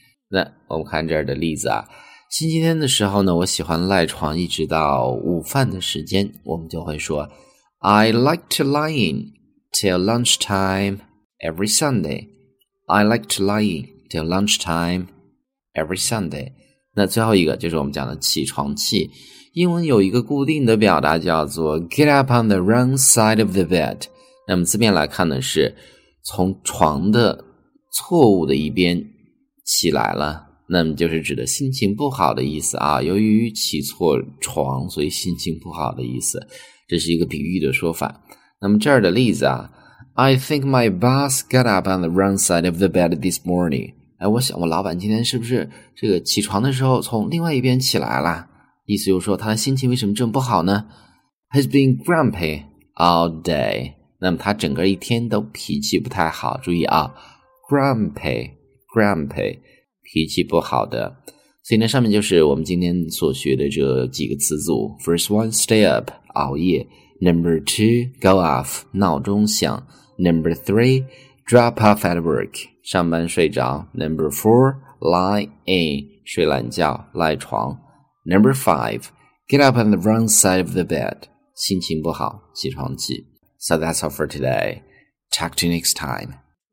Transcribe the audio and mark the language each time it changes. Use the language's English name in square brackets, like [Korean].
[Chinese] 那我们看这儿的例子啊，星期天的时候呢我喜欢赖床一直到午饭的时间，我们就会说 [English] I like to lie in till lunchtime every Sunday, I like to lie in till lunchtime every Sunday. [Chinese] 那最后一个就是我们讲的起床气，英文有一个固定的表达叫做 get up on the wrong side of the bed. 那么字面来看呢是从床的错误的一边起来了，那么就是指的心情不好的意思啊，由于起错床所以心情不好的意思，这是一个比喻的说法。那么这儿的例子啊， [English] I think my boss got up on the wrong side of the bed this morning. [Chinese] 哎，我想我老板今天是不是这个起床的时候从另外一边起来了，意思就是说他的心情为什么这么不好呢？ [English] He's been grumpy all day. [Chinese] 那么他整个一天都脾气不太好，注意啊，Grumpy, 脾气不好的。所以呢上面就是我们今天所学的这几个词组。 [English] First one, stay up, [Chinese] 熬夜。 [English] Number two, go off, [Chinese] 闹钟响。 [English] Number three, drop off at work, [Chinese] 上班睡着。 [English] Number four, lie in, [Chinese] 睡懒觉，赖床。 [English] Number five, get up on the wrong side of the bed, [Chinese] 心情不好，起床气。 [English] So that's all for today. Talk to you next time.